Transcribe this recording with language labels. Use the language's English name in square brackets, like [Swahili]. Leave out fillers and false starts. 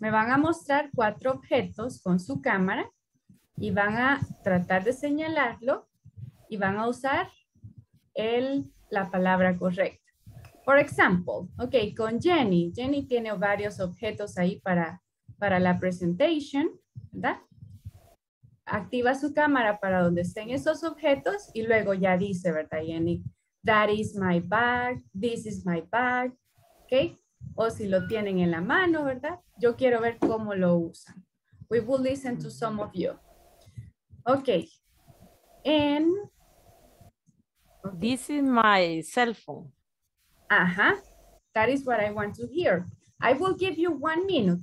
[Spanish] Me van a mostrar cuatro objetos con su cámara y van a tratar de señalarlo y van a usar la palabra correcta. [English] For example, [Spanish] okay, con Jenny. Jenny tiene varios objetos ahí para la presentation, ¿verdad? Activa su cámara para donde estén esos objetos y luego ya dice, ¿verdad, Jenny? [English] That is my bag, this is my bag, okay? [Spanish] O si lo tienen en la mano, ¿verdad? Yo quiero ver cómo lo usan. [English] We will listen to some of you. Okay. And this is my cell phone. Ajá. That is what I want to hear. I will give you 1 minute.